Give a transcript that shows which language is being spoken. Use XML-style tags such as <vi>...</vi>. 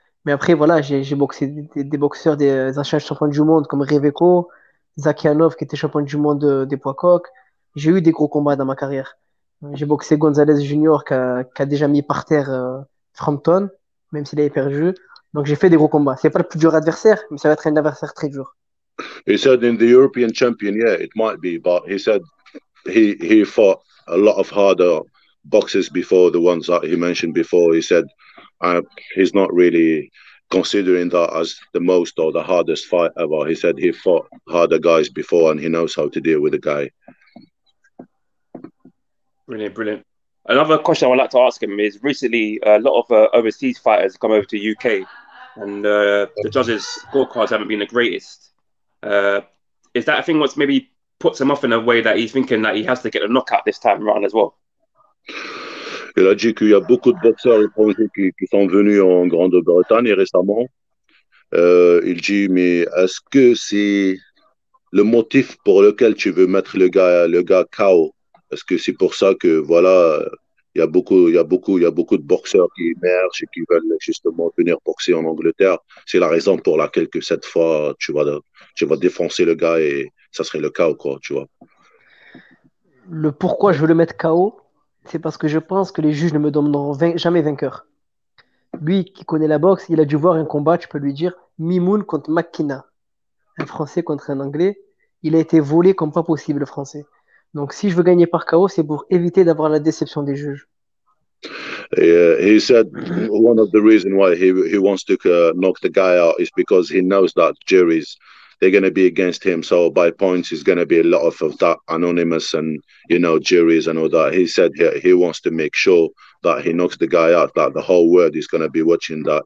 <fr>Mais après, voilà, j'ai boxé des boxeurs, des anciens champions du monde comme Reveco, Zakianov, qui était champion du monde des poids coq. J'ai eu des gros combats dans ma carrière. J'ai boxé Gonzalez Junior, qui a déjà mis par terre Frampton, même s'il avait perdu. Donc j'ai fait des gros combats. C'est pas le plus dur adversaire, mais ça va être un adversaire très dur.</fr> <en>He said in the European champion, yeah, it might be, but he said he fought a lot of harder boxes before, the ones that he mentioned before. He said he's not really considering that as the most or the hardest fight ever. He said he fought harder guys before and he knows how to deal with the guy. Brilliant, brilliant. Another question I would like to ask him is, recently a lot of overseas fighters come over to UK and the judges' scorecards haven't been the greatest. Is that a thing what's maybe puts him off in a way that he's thinking that he has to get a knockout this time around as well?</en> <fr>Il a dit qu'il y a beaucoup de boxeurs étrangers qui sont venus en Grande-Bretagne récemment. Il dit, mais est-ce que c'est le motif pour lequel tu veux mettre le gars KO? Est-ce que c'est pour ça que, voilà, il y a beaucoup de boxeurs qui émergent et qui veulent justement venir boxer en Angleterre? C'est la raison pour laquelle que cette fois, tu vas défoncer le gars et ça serait le KO, quoi, tu vois. Le pourquoi je veux le mettre KO, c'est parce que je pense que les juges ne me donneront jamais vainqueur. Lui, qui connaît la boxe, il a dû voir un combat, tu peux lui dire, Mimoun contre Makina, un Français contre un Anglais. Il a été volé comme pas possible, le Français. Donc, si je veux gagner par KO, c'est pour éviter d'avoir la déception des juges.</fr> <en>He said one of the reasons why he wants to knock the guy out is because he knows that juries, they're going to be against him. So by points, it's going to be a lot of that anonymous and, you know, juries and all that. He said he wants to make sure that he knocks the guy out, that the whole world is going to be watching that.</en>